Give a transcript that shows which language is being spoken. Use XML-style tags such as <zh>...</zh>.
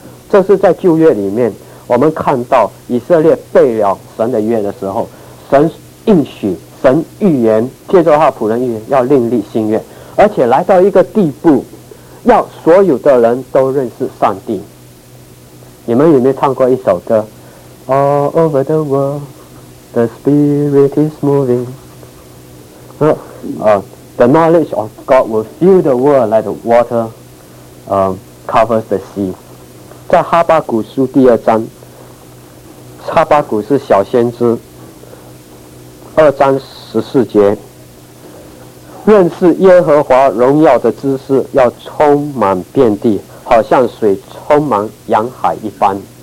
<zh>这是在旧约里面，我们看到以色列背了神的约的时候，神应许，神预言，借着他仆人预言要另立新约，而且来到一个地步，要所有的人都认识上帝。你们有没有唱过一首歌</zh> <en>All over the world the spirit is moving、The knowledge of God will fill the world like the water、covers the sea。</en> <zh>在哈巴谷书第二章，哈巴谷是小先知，二章十四节，认识耶和华荣耀的知识要充满遍地，好像水充满洋海一般。</zh>